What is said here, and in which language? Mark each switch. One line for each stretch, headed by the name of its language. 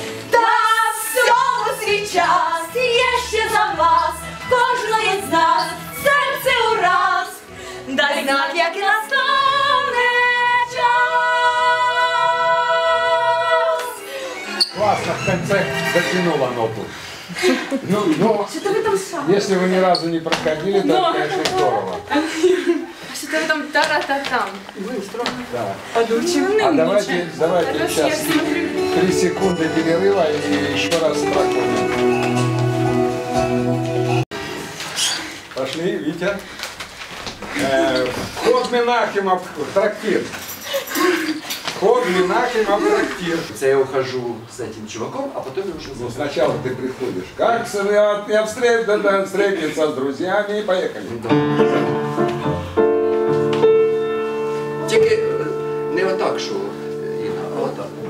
Ukrainian: Та всьому свій час, є ще за вас, кожної з нас серце ураз, дай знак, як настане час. Класно, в кінці затянула ногу.
Russian: Ну, что-то вы там сами. Если вы ни разу не проходили, то это конечно здорово. Там тара-та-там. Быстро. Да. А давайте, давайте это сейчас 3 секунды перерыва и еще раз проходим. Пошли, Витя. Ход Менахимов трактир. Ход Менахимов трактир. Это я ухожу с этим чуваком, а потом я уже... Ну, сначала ты приходишь. Как я встретился с друзьями и поехали.
Ukrainian: Тільки не отак, що Інна, а отак.